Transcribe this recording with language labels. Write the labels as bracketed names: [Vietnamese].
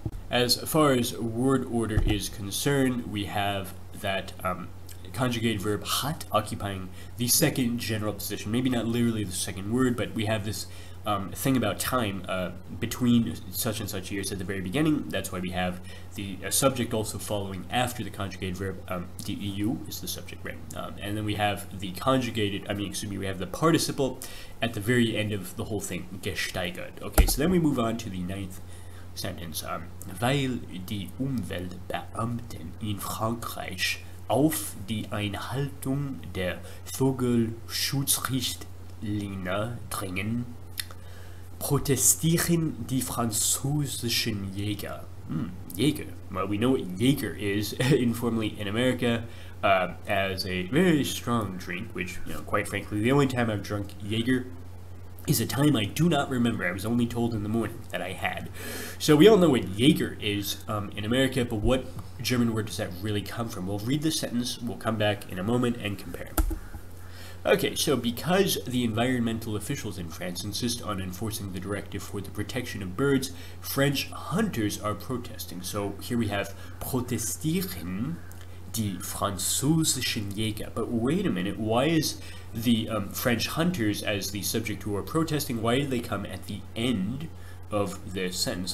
[English] as far as word order is concerned, we have that conjugated verb hat occupying the second general position, maybe not literally the second word, but we have this thing about time between such and such years at the very beginning. That's why we have the subject also following after the conjugated verb. The EU is the subject, right? And then we have the conjugated, we have the participle at the very end of the whole thing, gesteigert. Okay, so then we move on to the ninth sentence. [German] Weil die Umweltbeamten in Frankreich auf die Einhaltung der Vogelschutzrichtlinie dringen, protestieren die französischen Jäger. Jäger. [English] Well, we know what Jäger is informally in America as a very strong drink, which, you know, quite frankly, the only time I've drunk Jäger is a time I do not remember. I was only told in the morning that I had. So we all know what Jäger is in America, but what German word does that really come from? We'll read the sentence, we'll come back in a moment and compare. Okay, so because the environmental officials in France insist on enforcing the directive for the protection of birds, French hunters are protesting. So here we have [German] protestieren die französischen Jäger. [English] But wait a minute, why is the French hunters as the subject who are protesting, why did they come at the end of this sentence?